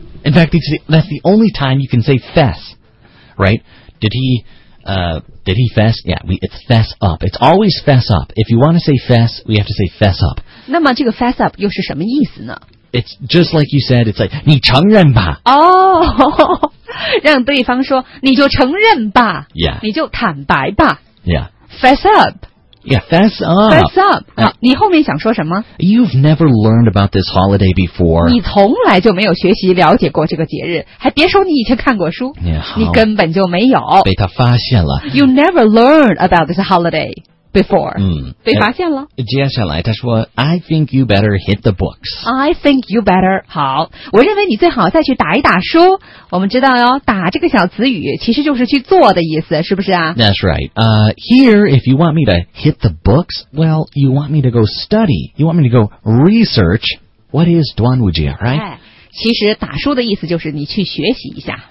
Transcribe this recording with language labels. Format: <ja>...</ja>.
<en>In fact, that's the only time you can say fess, right? Did he fess? Yeah, it's fess up. It's always fess up. If you want to say fess, we have to say fess up.</en> <zh>那么这个 fess up 又是什么意思呢?</zh> <en>It's just like you said, it's like,</en> <zh>你承认吧。 Oh, 让对方说你就承认吧。</zh> <en>Yeah.</en> <zh>你就坦白吧。</zh> <en>Yeah. Fess up. Yeah, fess up.</en> <zh>Fess up. 你后面想说什么？</zh> <en>You've never learned about this holiday before.</en> <zh>你从来就没有学习了解过这个节日，还别说你以前看过书。</zh> <en>Yeah,</en> <zh>你根本就没有。被他发现了。</zh> <en>You never learned about this holiday before.</en> <zh>被发现了。接下来他说</zh> <en>I think you better hit the books. I think you better.</en> <zh>好，我认为你最好再去打一打书。我们知道哟，打这个小词语其实就是去做的意思，是不是啊？</zh> <en>That's right. Here, if you want me to hit the books, well, you want me to go study. You want me to go research. What is 端午节, right?</en> <zh>其实打书的意思就是你去学习一下。</zh>